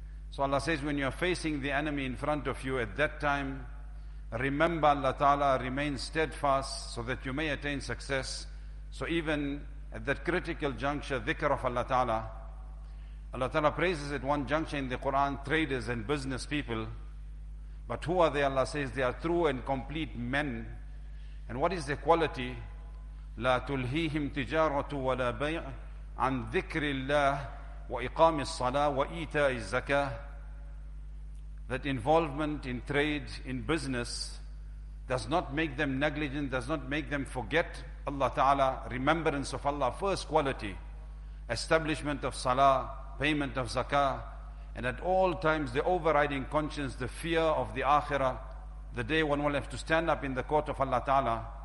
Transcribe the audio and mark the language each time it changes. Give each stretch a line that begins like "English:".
English: So Allah says, when you are facing the enemy in front of you at that time, remember Allah Ta'ala, remain steadfast so that you may attain success. So even at that critical juncture, dhikr of Allah Ta'ala, Allah Ta'ala praises at one juncture in the Quran, traders and business people. But who are they? Allah says, they are true and complete men. And what is their quality?
Arabic: لا تلهيهم تجارة ولا بيع عن ذكر الله وإقام الصلاة وإيتاء الزكاة.
English: That involvement in trade, in business, does not make them negligent, does not make them forget Allah Ta'ala, remembrance of Allah, first quality, establishment of salah, payment of zakah, and at all times the overriding conscience, the fear of the akhirah, the day one will have to stand up in the court of Allah Ta'ala.